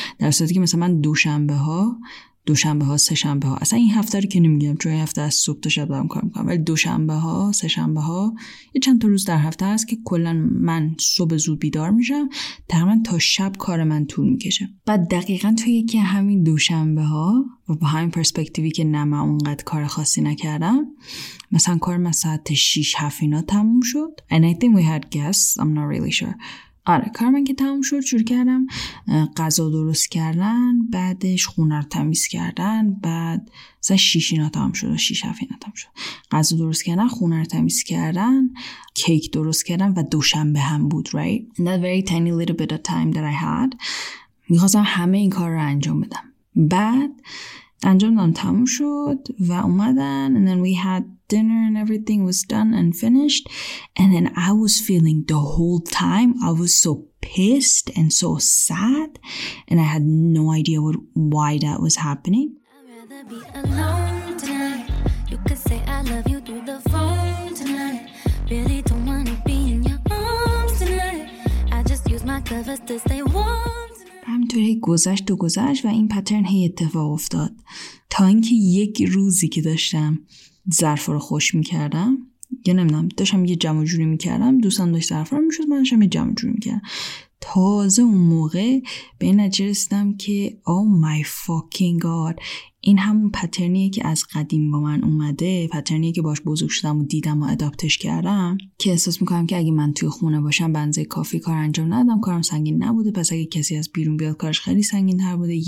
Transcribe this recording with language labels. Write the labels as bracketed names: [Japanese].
[Persian] در صورتی که مثلا من دوشنبه ها، سه شنبه ها، اصلا این هفته رو که نمیگم چون این هفته از صبح تا شب دارم کار میکنم، ولی دوشنبه ها، سه شنبه ها، یه چند تا روز در هفته هست که کلن من صبح زود بیدار میشم، تقریبا تا شب کار من طول میکشه. بعد دقیقا توی یکی همین دوشنبه ها و با همین پرسپکتیوی که نه من اونقدر کار خاصی نکردم، مثلا کار من ساعت 6-7 اینا تموم شد. [English] And I think we had guests, I'm not really sure. [Persian] آره کار من که تموم شد شروع کردم غذا درست کردن، بعدش خونه رو تمیز کردن، بعد مثلا 6 اینا تموم شد و 6-7 اینا تموم شد، غذا درست کردن، خونه رو تمیز کردن، کیک درست کردن و دوشنبه هم بود، [English] right? And that very tiny little bit of time that I had [Persian] میخواستم همه این کار رو انجام بدم. بعد انجام دادم، تموم شد و اومدن [English] and then we had dinner and everything was done and finished and then I was feeling the whole time I was so pissed and so sad and I had no idea what why that was happening. I'd rather be alone tonight. You could say I love you through the phone tonight. Really don't wanna be in your arms tonight. I just use my covers to stay warm. [Persian] همینطوری گذشت و گذشت و این پترن هی اتفاق افتاد تا اینکه یک روزی که داشتم ظرفا رو خوش میکردم، یا نمیدونم داشتم یه جمع جوری میکردم، دوستم داشت ظرفا رو میشد، من داشتم یه جمع جوری میکردم، تازه اون موقع به این نتیجه رسیدم که [English] oh my fucking god، [Persian] این همون پترنیه که از قدیم با من اومده، پترنیه که باش بزرگ شدم و دیدم و ادابتش کردم، که احساس میکنم که اگه من توی خونه باشم بنزه کافی کار انجام ندادم، کارم سنگین نبوده، پس اگه کسی از بیرون بیاد کارش خیلی سنگین تر بوده.